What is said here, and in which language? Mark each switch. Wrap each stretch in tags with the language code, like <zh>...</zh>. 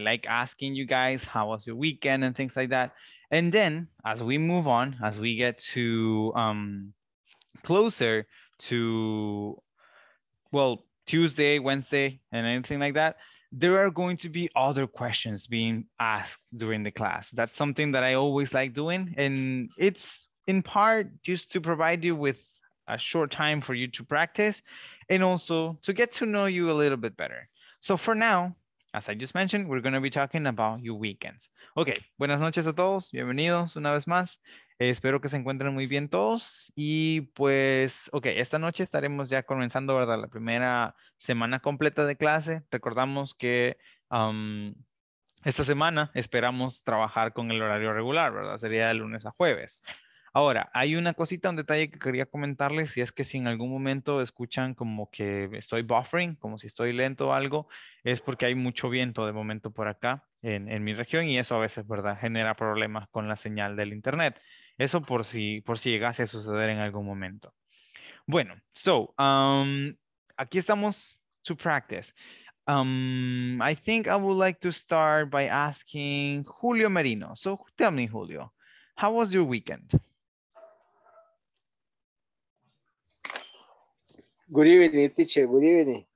<en>I like asking you guys, how was your weekend and things like that. And then as we move on, as we get to closer to, well, Tuesday, Wednesday, and anything like that, there are going to be other questions being asked during the class. That's something that I always like doing. And it's in part just to provide you with a short time for you to practice and also to get to know you a little bit better. So for now, as I just mentioned, we're going to be talking about your weekends.</en> <es>Okay, buenas noches a todos, bienvenidos una vez más. Espero que se encuentren muy bien todos. Y pues, okay, esta noche estaremos ya comenzando, ¿verdad?, la primera semana completa de clase. Recordamos que esta semana esperamos trabajar con el horario regular, ¿verdad? Sería de lunes a jueves. Ahora, hay una cosita, un detalle que quería comentarles, y es que si en algún momento escuchan como que estoy buffering, como si estoy lento o algo, es porque hay mucho viento de momento por acá en mi región, y eso a veces, ¿verdad?, genera problemas con la señal del internet. Eso por si llegase a suceder en algún momento. Bueno, so, aquí estamos</es> <en>to practice. I think I would like to start by asking Julio Merino. So, tell me, Julio, how was your weekend? Good evening, teacher. Good evening.</en>